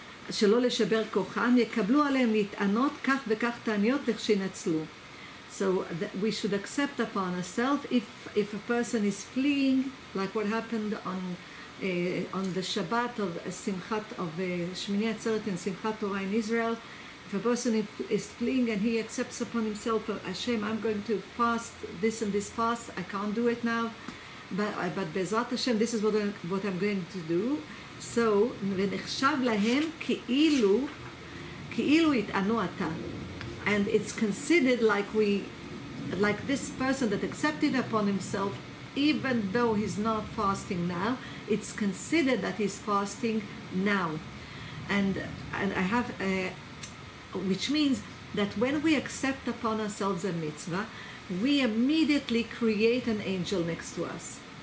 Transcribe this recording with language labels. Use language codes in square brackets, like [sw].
[he] שלא לשבר כוחם, יקבלו עליהם להתענות כך וכך תעניות לכשינצלו. [en] So we should accept upon ourselves if a person is fleeing, like what happened on the Shabbat of Simchat of Shmini Atzeret and Simchat Torah in Israel. If a person is fleeing and he accepts upon himself, Hashem, I'm going to fast this and this fast, I can't do it now, but Bezrat Hashem, this is what I'm going to do. [he] So, ונחשב להם כאילו יתענו אתה. [en] And it's considered like this person that accepted upon himself, even though he's not fasting now, it's considered that he's fasting now. And I have, which means that when we accept upon ourselves a mitzvah, we immediately create an angel next to us.